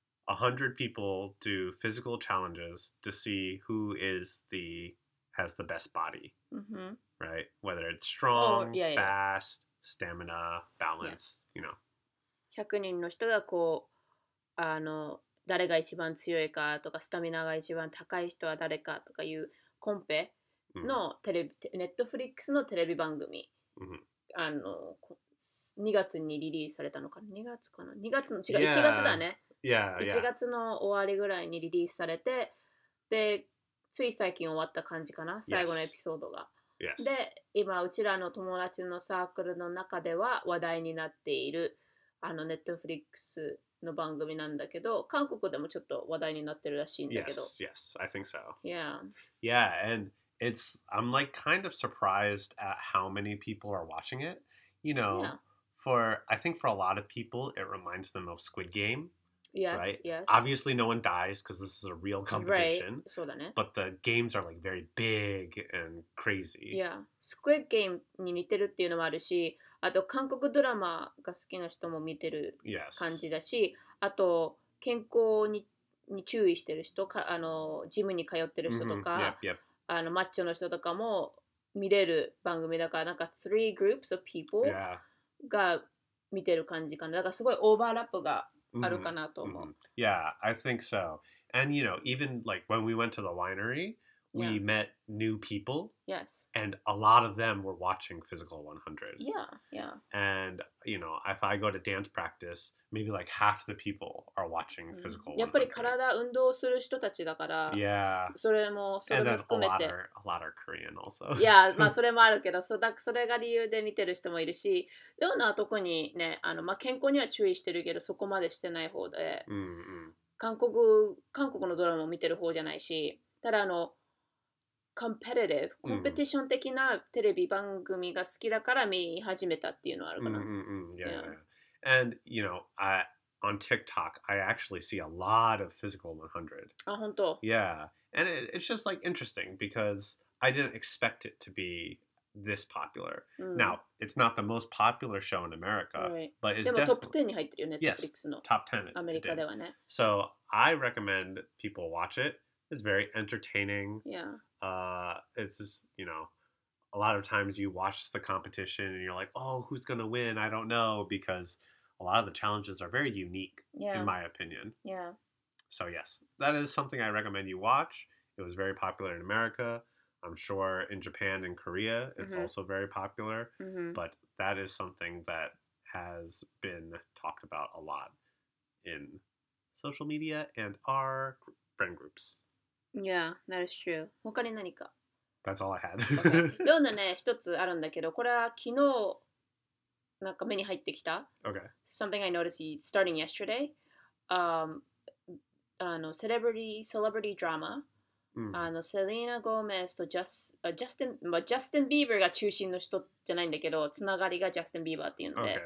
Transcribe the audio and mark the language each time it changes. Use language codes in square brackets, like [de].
[en] 100 people do physical challenges to see who is the, has the best body, right? Whether it's strong, fast, stamina, balance, you know. [ja] 100人の人がこう、あの、誰が一番強いかとか、スタミナが一番高い人は誰かとかいうコンペのテレビ、Netflix のテレビ番組、あの、2月にリリースされたのかな ?2 月かな ?2 月の、違う、1月だね。 [en] Yeah, yeah. [ja] 1月の終わりぐらいにリリースされてでつい最近終わった感じかな最後のエピソードが、 [en] yes. [ja] で今うちらの友達のサークルの中では話題になっているあのネットフリックスの番組なんだけど韓国でもちょっと話題になってるらしいんだけど [en] Yes, yes, I think so Yeah Yeah, and it's I'm like kind of surprised at how many people are watching it You know,、yeah. for I think for a lot of people it reminds them of Squid Game Yes, right? yes. Obviously, no one dies because this is a real competition. Right, [ja] そうだね。 [en] But the games are like very big and crazy. [ja] Yeah. Squid Game に似てるっていうのもあるし、あと韓国ドラマが好きな人も見てる感じだし、 [en] yes. [ja] あと健康にに注意してる人か、あのジムに通ってる人とか、 mm-hmm. yep, yep. あのマッチョの人とかも見れる番組だから、なんか [en] 3 groups of people、 yeah. [ja] が見てる感じかな。だからすごいオーバーラップがあるかなと思う。 Mm-hmm. [en] Yeah, I think so. And you know, even like when we went to the winery, we、yeah. met new people. Yes. And a lot of them were watching Physical 100. Yeah, yeah. And you know, if I go to dance practice, maybe like half the people are watching Physical [ja] 100. やっぱり体運動する人たちだから。 [en] Yeah. [ja] それも、それも含めて。And [en] then a lot are Korean also. [ja] Yeah, まあそれもあるけど、それが理由で見てる人もいるし、どんなとこにね、あのまあ健康には注意してるけど、そこまでしてない方で。韓国のドラマを見てる方じゃないし、ただあのcompetitive、コンペティション的なテレビ番組が好きだから見始めたっていうのはあるかな。 [en] Yeah. And you know, on TikTok, I actually see a lot of Physical 100. [ja] あ、本当。 [en] Yeah. And it's just like interesting because I didn't expect it to be this popular.、 [ja] うん、 [en] Now, it's not the most popular show in America,、 right. but it's [ja] definitely... でもトップ10に入ってるよね、Netflix の。 [en] Yes, top 10. [ja] アメリカではね。 [en] So, I recommend people watch it. It's very entertaining. Yeah. It's just, you know, a lot of times you watch the competition and you're like, oh, who's going to win? I don't know, because a lot of the challenges are very unique, yeah. in my opinion. Yeah. So, yes, that is something I recommend you watch. It was very popular in America. I'm sure in Japan and Korea, it's mm-hmm. also very popular. Mm-hmm. But that is something that has been talked about a lot in social media and our friend groups. Yeah, that is true. [ja] 他に何か? [en] That's all I had. [ja] どんなね、一つあるんだけど、これは昨日なんか目に入ってきた。 [en] Okay. Something I noticed starting yesterday. あの、celebrity drama.、 Mm. [ja] あの、セリーナ・ゴメスとジャスティン・ビーバーが中心の人じゃないんだけど、つながりがジャスティン・ビーバーっていうので。